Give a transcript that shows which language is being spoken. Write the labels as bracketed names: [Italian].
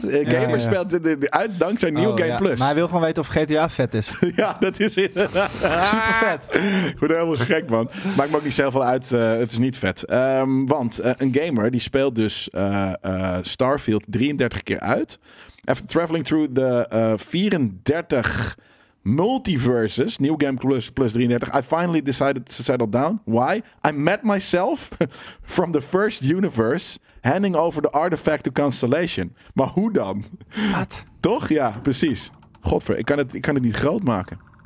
[Dutch] Gamer speelt uit dankzij New Game Plus. Maar hij wil gewoon weten of GTA vet is. Ja, dat is super vet. Goed, helemaal gek, man. Maakt me ook niet zelf wel uit. Het is niet vet. Want een gamer die speelt dus Starfield 33 keer uit. [English] After traveling through the 34... multiverses, New Game Plus 33, I finally decided to settle down. Why? I met myself from the first universe handing over the artifact to Constellation. [Dutch] Maar hoe dan? Wat? Toch? Ja, precies. Godver, ik kan het niet groot maken.